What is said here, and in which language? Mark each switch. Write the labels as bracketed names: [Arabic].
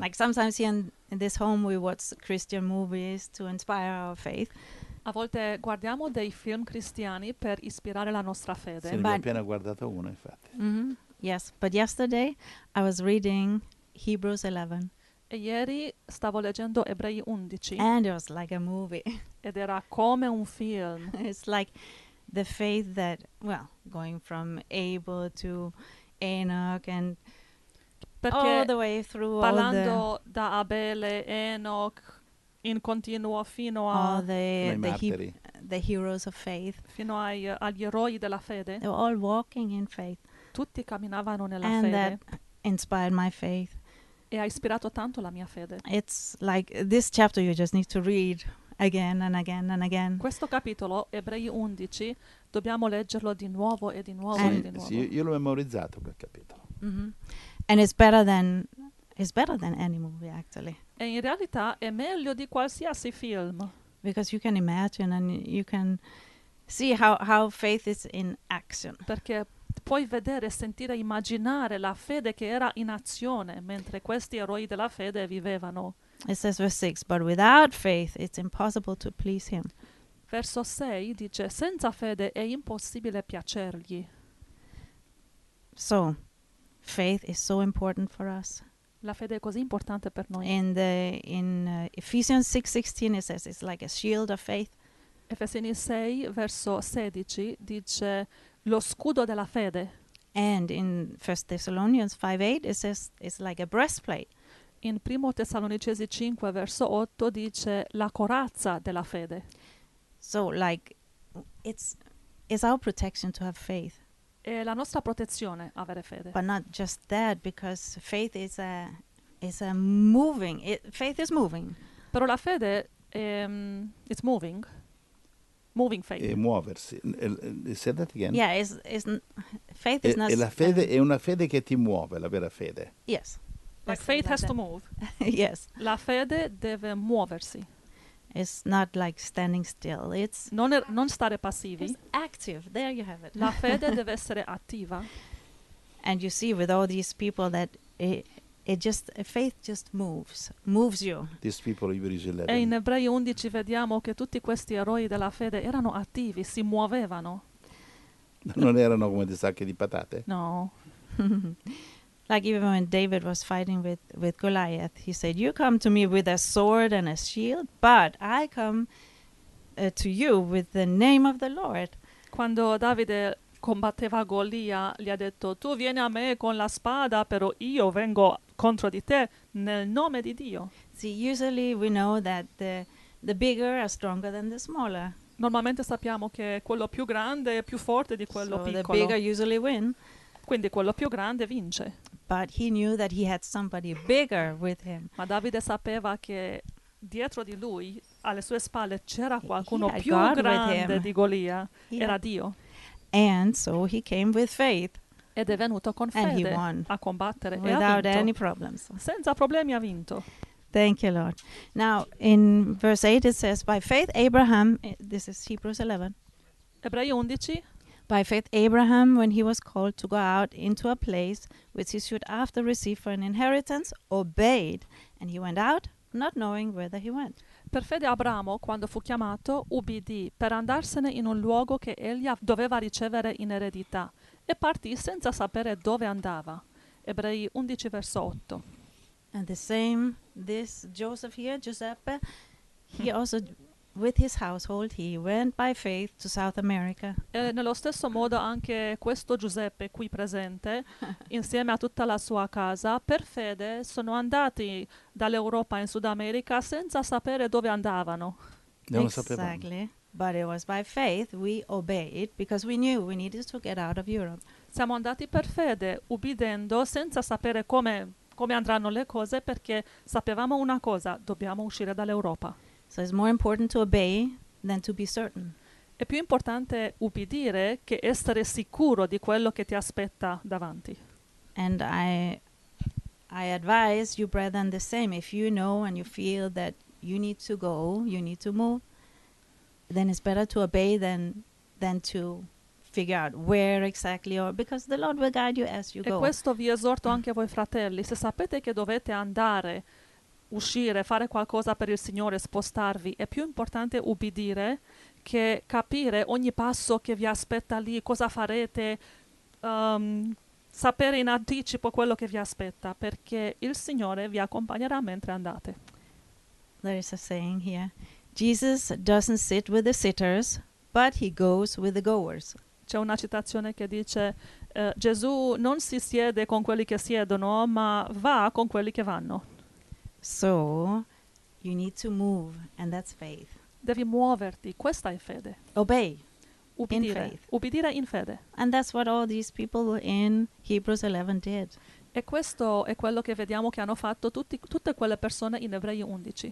[English] Like sometimes here in this home we watch Christian movies to inspire our faith. [Italian] A volte guardiamo dei film cristiani per ispirare la nostra fede. Sì, ne abbiamo appena guardato uno, infatti. [English] Mm-hmm. Yes, but yesterday I was reading Hebrews 11. [Italian] E ieri stavo leggendo Ebrei 11. [English] And it was like a movie. [Italian] Ed era come un film. [English] It's like the faith that, well, going from Abel to Enoch and [Italian] perché [English] all the way through [Italian] parlando [English] all the [Italian] da Abele, Enoch, in continuo fino a [English] the heroes of faith. [Italian] Fino agli eroi della fede. [English] They were all walking in faith. [Italian] Tutti camminavano nella [English] and [Italian] fede. [English] That inspired my faith. [Italian] E ha ispirato tanto la mia fede. [English] It's like this chapter you just need to read again and again and again. [Italian] Questo capitolo, Ebrei 11, dobbiamo leggerlo di nuovo e di nuovo sì, e di nuovo. Sì, io l'ho memorizzato quel capitolo. [English] Mm-hmm. And it's better than any movie actually. [Italian] E in realtà è meglio di qualsiasi film. [English] Because you can imagine and you can see how faith is in action. [Italian] Perché puoi vedere, sentire, immaginare la fede che era in azione mentre questi eroi della fede vivevano. [English] It says verse 6, but without faith it's impossible to please him. [Italian] Verso 6 dice, senza fede è impossibile piacergli. [English] So, faith is so important for us. [Italian] La fede è così importante per noi. [English] And Ephesians 6:16 it says it's like a shield of faith. [Italian] Efesini 6 verso 16 dice lo scudo della fede. [English] And in 1 Thessalonians 5:8 it says it's like a breastplate. [Italian] In 1 Tessalonicesi 5 verso 8 dice la corazza della fede. [English] So like it's our protection to have faith. [Italian] È la nostra protezione avere fede. [English] But not just that, because faith is a moving. Faith is moving. [Italian] Però la fede [English] it's moving. Moving faith. [Italian] E muoversi. [English] Say that again. Yeah, faith is not. [Italian] E la fede è una fede che ti muove, la vera fede. [English] Yes. Like faith has to move. Yes. [Italian] La fede deve muoversi. [English] It's not like standing still. It's [Italian] non stare passivi. [English] It's active. There you have it. [Italian] La fede deve essere attiva. [English] And you see with all these people that faith just moves you. These people, Hebrews 11. [Italian] E in Ebrei 11 vediamo che tutti questi eroi della fede erano attivi, si muovevano. Non erano come dei sacchi di patate? No. [English] Like even when David was fighting with Goliath, he said, you come to me with a sword and a shield, but I come to you with the name of the Lord. [Italian] Quando Davide combatteva Golia, gli ha detto, tu vieni a me con la spada, però io vengo contro di te nel nome di Dio. [English] See, usually we know that the bigger are stronger than the smaller. [Italian] Normalmente sappiamo che quello più grande è più forte di quello [English] so [Italian] piccolo. [English] The bigger usually win. [Italian] Quindi quello più grande vince. [English] But he knew that he had somebody bigger with him. [Italian] Ma Davide sapeva che dietro di lui, alle sue spalle, c'era qualcuno [English] he [Italian] più grande di Golia. Era Dio. [English] And so he came with faith. [Italian] Ed è venuto con [English] and [Italian] fede [English] he won [Italian] a combattere [English] without [Italian] e ha vinto [English] any problems. [Italian] Senza problemi ha vinto. [English] Thank you, Lord. Now, in verse 8 it says, by faith Abraham, this is Hebrews 11. [Italian] Ebrei 11. [English] By faith Abraham, when he was called to go out into a place which he should after receive for an inheritance, obeyed. And he went out, not knowing whither he went. [Italian] Per fede Abramo, quando fu chiamato, ubbidì per andarsene in un luogo che egli doveva ricevere in eredità e partì senza sapere dove andava. Ebrei 11 verso 8. [English] And the same, this Joseph here, Giuseppe, he also, with his household, he went by faith to South America. [Italian] E nello stesso modo anche questo Giuseppe qui presente, insieme a tutta la sua casa, per fede sono andati dall'Europa in Sud America senza sapere dove andavano. Non lo sapevamo. [English] Exactly. But it was by faith we obeyed because we knew we needed to get out of Europe. [Italian] Siamo andati per fede, ubbidendo, senza sapere come andranno le cose, perché sapevamo una cosa, dobbiamo uscire dall'Europa. [English] So it's more important to obey than to be certain. [Italian] È più importante ubbidire che essere sicuro di quello che ti aspetta davanti. [English] And I advise you, brethren, the same. If you know and you feel that you need to go, you need to move, then it's better to obey than to figure out where exactly, or because the Lord will guide you as you go. [Italian] E questo vi esorto anche a voi fratelli. Se sapete che dovete andare, uscire, fare qualcosa per il Signore, spostarvi, è più importante ubbidire che capire ogni passo che vi aspetta lì, cosa farete, sapere in anticipo quello che vi aspetta, perché il Signore vi accompagnerà mentre andate. [English] There is a saying here: Jesus doesn't sit with the sitters, but he goes with the goers. [Italian] C'è una citazione che dice: Gesù non si siede con quelli che siedono, ma va con quelli che vanno. [English] So, you need to move, and that's faith. [Italian] Devi muoverti, questa è fede. [English] Obey. [Italian] Ubbidire. [English] In faith. [Italian] Ubbidire in fede. [English] And that's what all these people in Hebrews 11 did. [Italian] E questo è quello che vediamo che hanno fatto tutte quelle persone in Ebrei 11.